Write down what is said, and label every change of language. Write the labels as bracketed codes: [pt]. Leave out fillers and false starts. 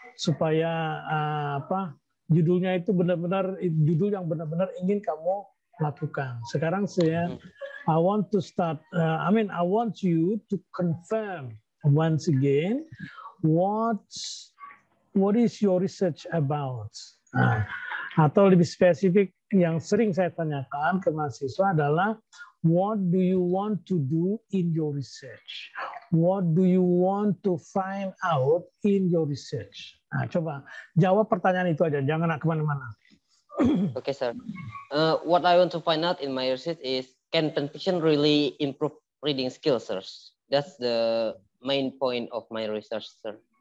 [id] Supaya judulnya itu benar-benar judul yang benar-benar ingin kamu lakukan. Sekarang saya [en] I want you to confirm once again what is your research about. [id] Nah, atau lebih spesifik yang sering saya tanyakan ke mahasiswa adalah [en] what do you want to do in your research? What do you want to find out in your research? [id] Nah, coba jawab pertanyaan itu aja, jangan ke mana-mana. [en] Okay, sir. What I want to find out in my research is, can fanfiction really improve reading skills, sir? That's the main point of my research, sir.